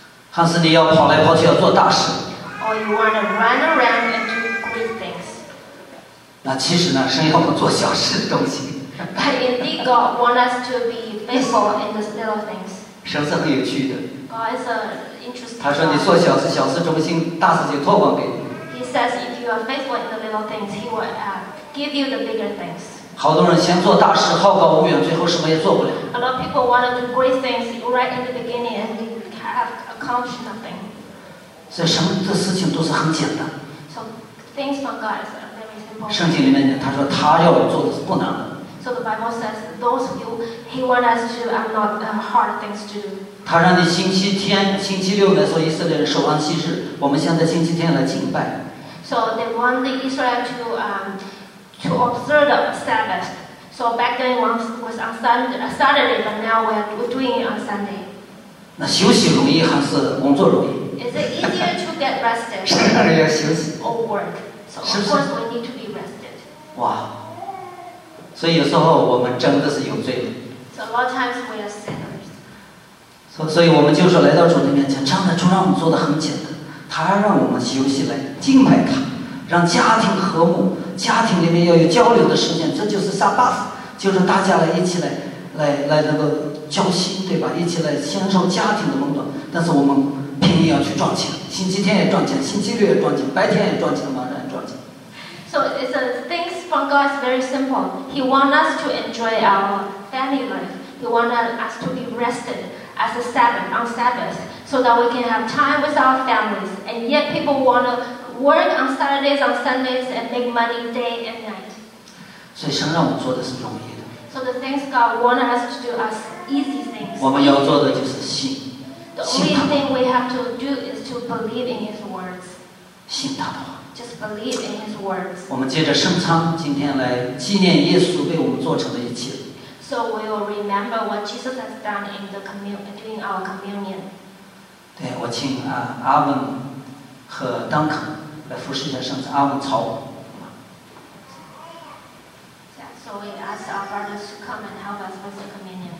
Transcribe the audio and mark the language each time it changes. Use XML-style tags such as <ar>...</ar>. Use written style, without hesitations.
<zh>还是你要跑来跑去要做大事。</zh> <en>Or you want to run around and do great things.</en> <zh>那其实呢，神要我们做小事忠心。</zh> <en>But indeed, God wants us to be faithful in the little things.</en> <zh>神是很有趣的。</zh> <en>God is interesting.</en> <zh>他说：“你做小事，小事忠心，大事就托管给你。”</zh> <en>He says, "If you are faithful in the little things, He will give you the bigger things."</en> <zh>好多人先做大事，好高骛远，最后什么也做不了。</zh> <en>A lot of people want to do great things right in the beginning and they have accomplished nothing.</en> <zh>所以什么的事情都是很简单。</zh> <en>So things from God is very simple.</en> <zh>圣经里面他说他要我做的是不难的。</zh> <en>So the Bible says those who he want us to are not hard things to do.</en> <zh>他让你星期天、星期六来做以色列人守安息日，我们现在星期天来敬拜。</zh> <en>So they want the Israel to observe the Sabbath. So back then once was on Saturday, but now we're doing it on Sunday.</en> <zh>那休息容易还是工作容易？</zh> <en>Is it easier to get rested?</en> <zh>是那里要休息。</zh> <en>Or work. So of course we need to be rested.</en> <zh>哇，所以有时候我们真的是有罪的。</zh> <en>So a lot of times we are sinners.</en> <zh>所以我们就是来到主的面前，唱的主让我们做的很简单。他让我们休息来敬拜他，让家庭和睦，家庭里面要有交流的时间，这就是 Sabbath， 就是大家来一起来那个交心，对吧？一起来享受家庭的温暖。但是我们拼命要去赚钱，星期天也赚钱，星期六也赚钱，白天也赚钱，晚上也赚钱。</zh> <en>So it's a things from God is very simple. He wants us to enjoy our family life. He wants us to be rested as a Sabbath on Sabbath. So that we can have time with our families, and yet people want to work on Saturdays, on Sundays, and make money day and night.</en> <zh>所以神让我们做的是容易的。</zh> <en>So the things God wanted us to do are easy things.</en> <zh>我们要做的就是信。</zh> <en>The only thing we have to do is to believe in His words.</en> <zh>信他的话。</zh> <en>Just believe in His words.</en> <zh>我们借着圣餐今天来纪念耶稣为我们做成的一切。</zh> <en>So we will remember what Jesus has done in the during our communion.</en> <zh>对，我请阿文和丹肯来服侍一下圣餐。阿文朝我。</zh> <en>Yeah, so we ask our brothers to come and help us with the communion.</en>